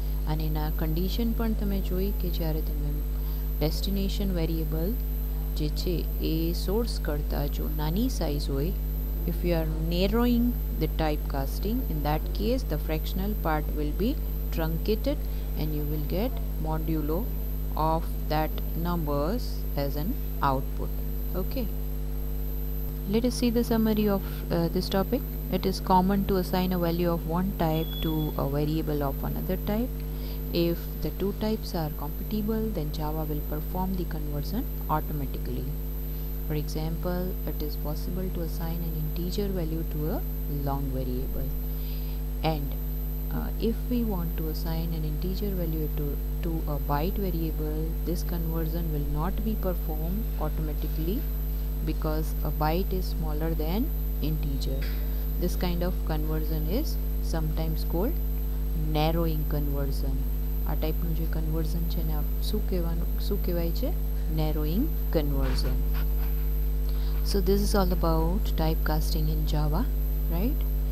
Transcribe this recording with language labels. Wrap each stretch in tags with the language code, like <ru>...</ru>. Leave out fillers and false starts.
<gu>અને એના કન્ડિશન પણ તમે જોઈ કે જ્યારે તમે ડેસ્ટિનેશન વેરિયેબલ જે છે એ સોર્સ કરતાં જો નાની સાઇઝ હોય,</gu> <en>If you are narrowing the type casting, in that case the fractional part will be truncated and you will get modulo of that numbers as an output. Okay, let us see the summary of this topic. It is common to assign a value of one type to a variable of another type. If the two types are compatible, then Java will perform the conversion automatically. For example, it is possible to assign an integer value to a long variable. And if we want to assign an integer value to a byte variable, this conversion will not be performed automatically because a byte is smaller than integer. This kind of conversion is sometimes called narrowing conversion.</en> <gu>આ ટાઈપનું જે conversion છે એને આપ શું કહેવાનું, શું કહેવાય છે?</gu> <en>Narrowing conversion. So this is all about type casting in Java, right?</en>